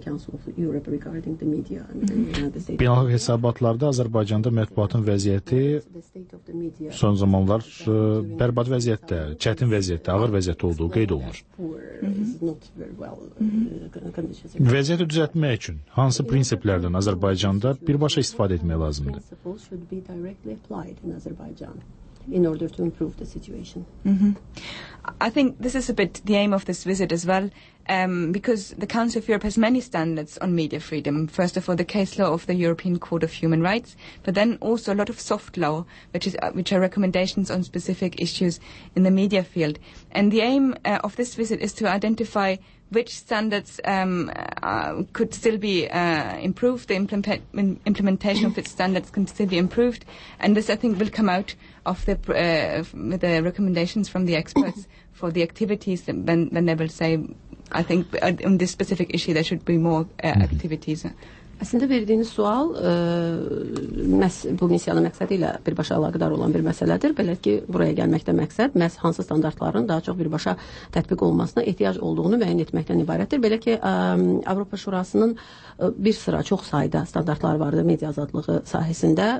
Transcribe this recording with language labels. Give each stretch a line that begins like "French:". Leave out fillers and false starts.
Azerbaijani: Beynəlxalq hesabatlarda Azərbaycanda mətbuatın vəziyyəti son zamanlar bərbad vəziyyətdə, çətin vəziyyətdə, ağır vəziyyətdə olduğu qeyd olunur. Vəziyyəti düzəltmək üçün hansı prinsiplərdən Azərbaycan da birbaşa istifadə etmək lazımdır.
English: I think this is a bit the aim of this visit as well, because the Council of Europe has many standards on media freedom. First of all, the case law of the European Court of Human Rights, but then also a lot of soft law, which are recommendations on specific issues in the media field. And the aim of this visit is to identify which standards could still be improved, the implementation of its standards can still be improved. And this, I think, will come out of the recommendations from the experts for the activities that when they will say, I think, on this specific issue, there should be more activities.
Azerbaijani: Əslində verdiyiniz sual məhz bu missiyanın məqsədi ilə birbaşa əlaqədar olan bir məsələdir. Belə ki, buraya gəlməkdə məqsəd məhz hansı standartların daha çox birbaşa tətbiq olmasına ehtiyac olduğunu müəyyən etməkdən ibarətdir. Belə ki, Avropa Şurasının bir sıra çox sayda standartlar vardır media azadlığı sahəsində.